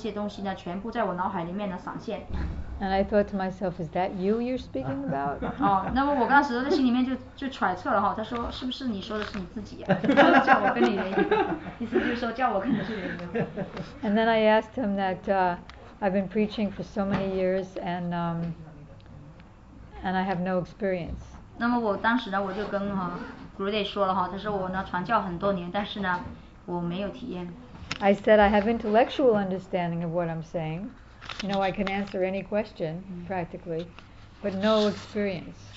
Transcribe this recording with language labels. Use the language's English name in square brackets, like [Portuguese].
[Chinese] 所以突然间好像那个灯泡亮了一样哈，就是我以前我从帕帕的书里面所讲听到的时候，这些关于圣人联谊啊重要性等等这些呢，经典哈这些东西呢，全部在我脑海里面呢闪现。 [English] And I thought to myself, is that you you're speaking about? [Chinese] 哦，那么我当时在心里面就揣测了哈，他说是不是你说的是你自己呀？叫我跟你联谊，意思就是说叫我跟你联谊。And [English] then I asked him that I've been preaching for so many years and I have no experience. [Chinese] 那么我当时呢，我就跟哈 Gurudev 说了哈，他说我呢传教很多年，但是呢我没有体验。 [English] I said I have intellectual understanding of what I'm saying. You know, I can answer any question, practically, but no experience.